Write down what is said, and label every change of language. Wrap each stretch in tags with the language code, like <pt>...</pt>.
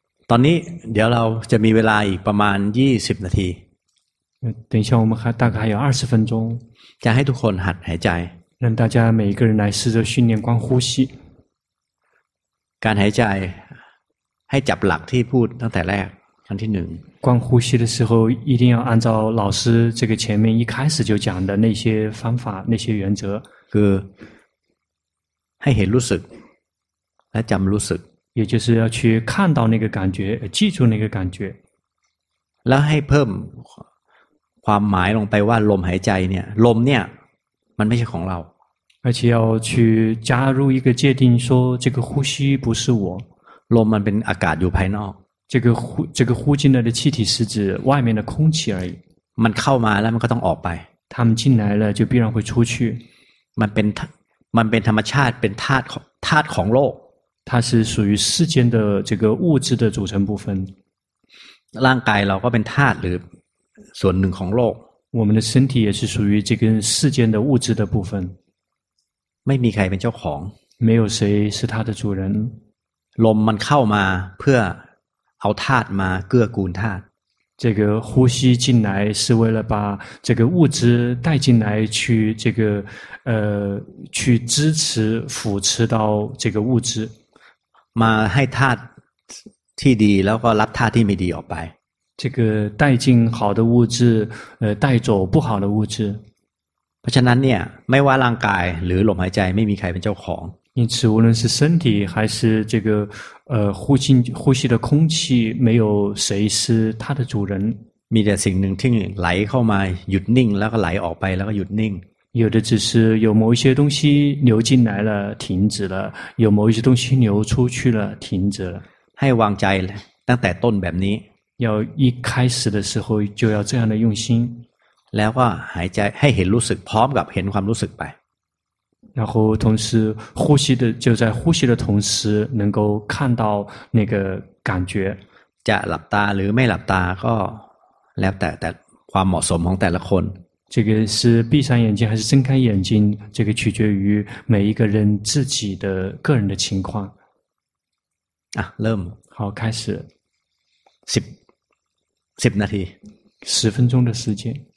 <th>ตอนนี้เดี๋ยวเราจะมีเวลาอีกประมาณ20นาที</th> <zh>等一下我们还大概有20分钟</zh> <th>จะให้ทุกคนหัดหายใจ</th> <zh>让大家每一个人来试着训练观呼吸</zh> <th>การหายใจให้จับหลักที่พูดตั้งแต่แรกครั้งที่หนึ่ง</th> <zh>观呼吸的时候一定要按照老师这个前面一开始就讲的那些方法那些原则</zh> <th>คือให้เห็นรู้สึกและจำรู้สึก</th> <zh>也就是要去看到那个感觉记住那个感觉</zh> <th>แล้วให้เพิ่มความหมายลงไปว่าลมหายใจเนี่ยลมเนี่ยมันไม่ใช่ของเรา</th> <zh>而且要去加入一个界定说这个呼吸不是我</zh> <th>ลมมันเป็นอากาศอยู่ภายนอก</th> <zh>这个呼进来的气体是指外面的空气而已</zh> <th>มันเข้ามาแล้วมันก็ต้องออกไป</th> <zh>他们进来了就必然会出去</zh> <th>มันเป็นธรรมชาติเป็นธาตุของโลก</th> <zh>它是属于世间的这个物质的组成部分</zh> <th>ร่างกายเราก็เป็นธาตุหรือส่วนหนึ่งของโลก</th> <zh>我们的身体也是属于这个世间的物质的部分</zh> <th>ไม่มีใครเป็นเจ้าของ</th> <zh>没有谁是他的主人</zh> <th>ลมมันเข้ามาเพื่อเอาธาตุมาเกื้อกูลธาตุ</th> <zh>这个呼吸进来是为了把这个物质带进来去这个去支持扶持到这个物质</zh> <th>มาให้ธาตุที่ดีแล้วก็รับธาตุที่ไม่ดีออกไป</th> <zh>这个带进好的物质带走不好的物质</zh> <th>เพราะฉะนั้นเนี่ยไม่ว่าร่างกายหรือลมหายใจไม่มีใครเป็นเจ้าของ</th> <zh>因此无论是身体还是这个呼吸的空气没有谁是它的主人</zh> <th>มีแต่สิ่งหนึ่งที่ไหลเข้ามาหยุดนิ่งแล้วก็ไหลออกไปแล้วก็หยุดนิ่ง</th> <zh>有的只是有某一些东西流进来了停止了有某一些东西流出去了停止了</zh> <th>ให้วางใจตั้งแต่ต้นแบบนี้</th> <zh>要一开始的时候就要这样的用心</zh> <th>แล้วก็หายใจให้เห็นรู้สึกพร้อมกับเห็นความรู้สึกไป</th> <zh>然后同时呼吸的就在呼吸的同时能够看到那个感觉</zh> <th>จะหลับตาหรือไม่หลับตาก็แล้วแต่ความเหมาะสมของแต่ละคน</th> <zh>这个是闭上眼睛还是睁开眼睛这个取决于每一个人自己的个人的情况</zh> <th>啊เริ่ม</th> <zh>好开始</zh> <th>10นาที</th> <zh>10分钟的时间</zh>